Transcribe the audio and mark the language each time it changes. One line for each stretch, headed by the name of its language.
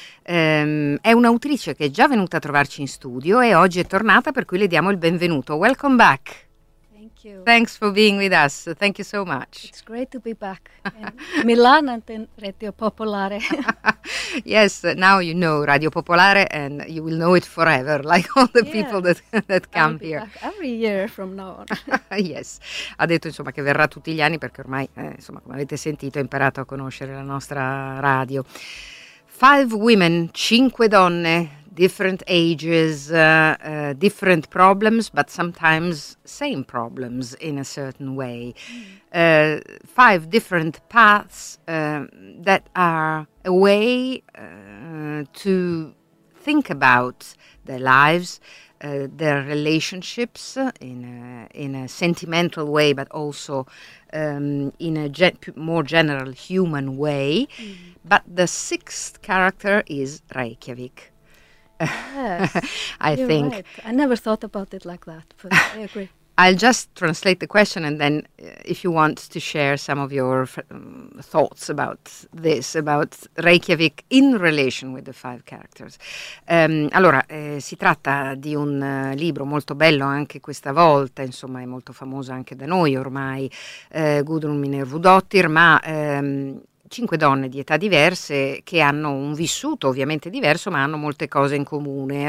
Italian: È un'autrice che è già venuta a trovarci in studio e oggi è tornata, per cui le diamo il benvenuto.
English: Welcome back. Thank you. Thanks for being with us. Thank you so much. It's great to be back in Milan and in Radio Popolare. Yes, now you know Radio Popolare and you will know it forever, like all the people that come I'll be here. Back every year from now on.
Italian: Yes, ha detto insomma che verrà tutti gli anni perché ormai, insomma, come avete sentito, ha imparato a conoscere la nostra radio.
English: Five women,
Italian: cinque donne.
English: Different ages, different problems, but sometimes same problems in a certain way. Five different paths that are a way to think about their lives, their relationships in a sentimental way, but also in a more general human way. Mm. But the sixth character is Reykjavik. Yes, I think. Right. I never thought about it like that, but I agree. I'll just translate the question and then if you want to share some of your thoughts about this, about Reykjavik in relation with the five characters.
Italian: Si tratta di un libro molto bello anche questa volta, insomma è molto famoso anche da noi ormai, Gudrun Minervudottir, ma... cinque donne di età diverse che hanno un vissuto ovviamente diverso ma hanno molte cose in comune.